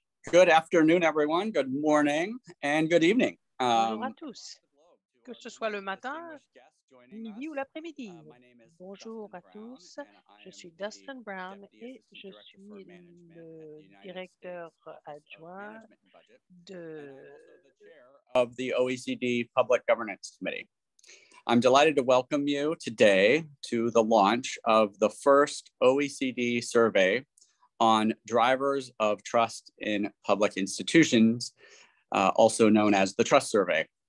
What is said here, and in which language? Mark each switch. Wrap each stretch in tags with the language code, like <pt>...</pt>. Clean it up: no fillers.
<en>Good afternoon, everyone. Good morning and good evening.</en> <fr>Bonjour à tous. Que ce soit le matin, midi ou l'après-midi. Bonjour à tous. Je suis Dustin Brown et je suis le directeur adjoint de</fr> <en>of the OECD Public Governance Committee. I'm delighted to welcome you today to the launch of the first OECD survey on drivers of trust in public institutions, also known as the Trust Survey.</en>